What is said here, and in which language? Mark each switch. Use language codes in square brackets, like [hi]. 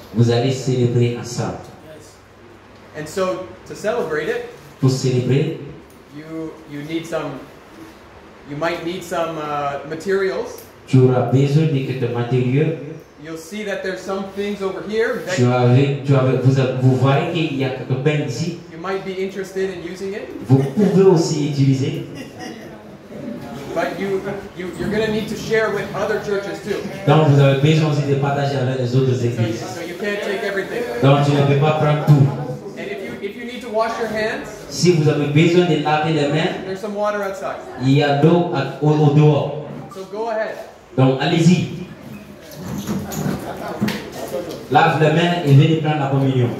[fr] Vous allez célébrer ensemble. [en] Yes. And so to celebrate it, [fr] pour célébrer, [en] you might need some materials. [fr] Tu auras besoin de quelques matériaux. [en] You'll see that there's some things over here. [fr] Vous voyez qu'il y a quelque chose ici. [en] You might be interested in using it. [fr] Vous pouvez aussi utiliser. [en] But you're going to need to share with other churches too. [fr] Donc vous avez besoin aussi de partager avec les autres églises. [en] So you can't take everything. [fr] Donc tu ne peux pas prendre tout. [en] And if you need to wash your hands, [fr] si vous avez besoin de laver les mains, [en] there's some water outside. [fr] Il y a de l'eau au dehors. [en] So go ahead. [fr] Donc allez-y. Lave les mains et venez prendre la communion.